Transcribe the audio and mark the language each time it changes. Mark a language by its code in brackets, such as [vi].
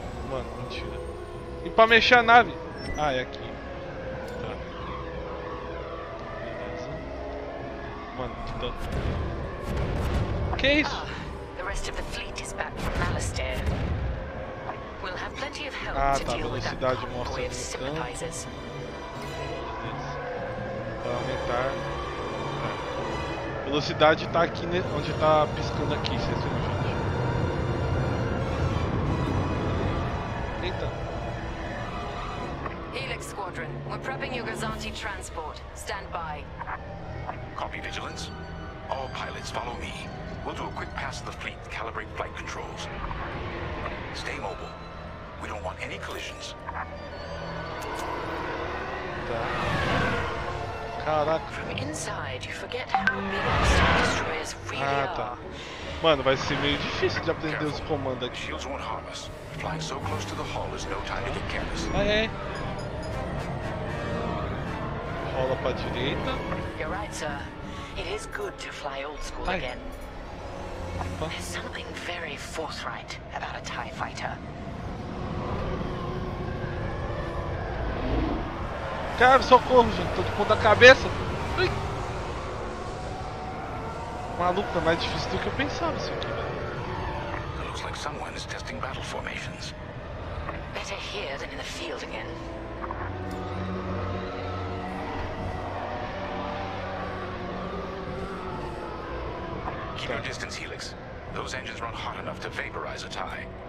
[pt] Mano, mentira. E pra mexer a nave? Ah, é aqui. Tá. Beleza. Mano, que tanto. Que isso? [en] The rest of the fleet is back from Alistair. We'll have plenty of help to deal with that convoy of sympathizers. [pt] Beleza. estar. Velocidade tá aqui onde tá piscando aqui, vocês viram, gente? Eita! [en] Helix Squadron, we're prepping your Gazanti transport. Stand by. Copy, Vigilance. All pilots follow me. We'll do a quick pass of the fleet to calibrate flight controls. Stay mobile. We don't want any collisions. [pt] Tá. Caraca. [en] From inside, you forget how big the Star Destroyers really are. [pt] Ah, tá. Mano, vai ser meio difícil de aprender os comandos aqui. [en] Shields won't harm us. Flying so close to the hull is no time to get careless. [pt] Aê. Rola pra direita. [en] You're right, sir. It is good to fly old school again. [pt] Opa. [en] There's something very forthright about a TIE fighter. [pt] Cara, socorro, gente. Tô com ponto da cabeça. Ui. Maluco, é mais difícil do que eu pensava isso aqui. [en] It looks like someone is testing battle formations. Better here than in the field again. Keep your distance, Helix. Those engines run hot enough to vaporize a TIE.